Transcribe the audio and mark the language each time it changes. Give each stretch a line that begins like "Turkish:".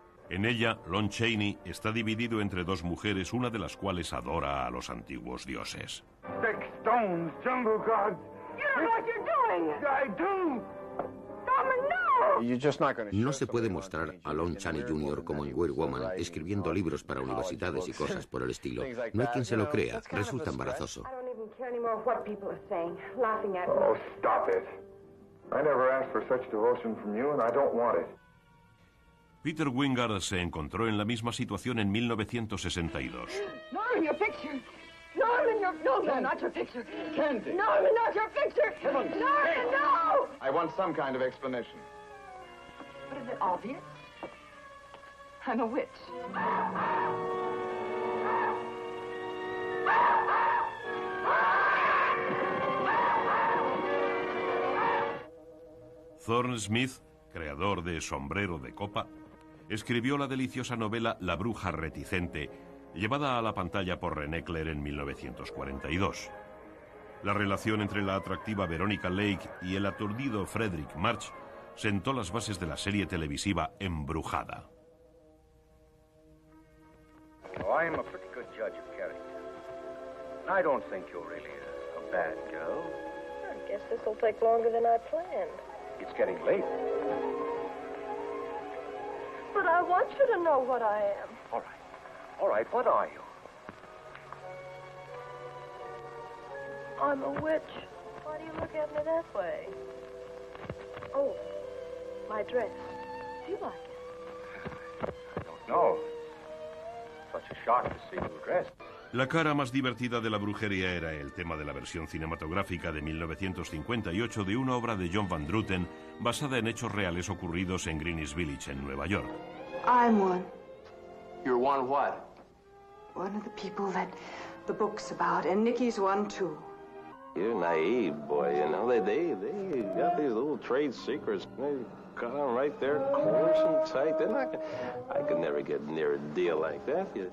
Spanish: En ella, Lon Chaney está dividido entre 2 mujeres, una de las cuales adora a los antiguos dioses.
English: 6 stones, jungle gods. You don't know what you're doing. I do. Domino. You're just not going to.
Spanish: No se puede mostrar a Lon Chaney Jr. como en Weird Woman, escribiendo libros para universidades y cosas por el estilo. No hay quien se lo crea. Resulta embarazoso.
English: I don't even care anymore what people are saying, laughing at me. Oh, stop it! I never asked for such devotion from you, and I don't want it.
Spanish: Peter Wingard se encontró en la misma situación en 1962.
English: Norman, your picture. Norman, your... No, Norman, not your picture. Candy. Norman, not your picture. Norman, no! I want some kind of explanation. But is it obvious? I'm a witch.
Spanish: Thorne Smith, creador de Sombrero de Copa, escribió la deliciosa novela La bruja reticente, llevada a la pantalla por René Clair en 1942. La relación entre la atractiva Veronica Lake y el aturdido Frederick March sentó las bases de la serie televisiva Embrujada.
English: Oh, I'm a pretty good judge of character. I don't think you're really a bad girl. Thank guess this will take longer than I planned. It's getting late. But I want you to know what I am. All right. All right, what are you? I'm a witch. Why do you look at me that way? Oh, my dress. Do you like it? I don't know. Such a shock to see you dressed.
Spanish: La cara más divertida de la brujería era el tema de la versión cinematográfica de 1958 de una obra de John Van Druten basada en hechos reales ocurridos en Greenwich Village, en Nueva York.
English: I'm one. You're one what? One of the people that the book's about, and Nicky's one too. You're naive, boy. You know they got these little trade secrets. They got them right there, close and tight. They're not. I could never get near a deal like that.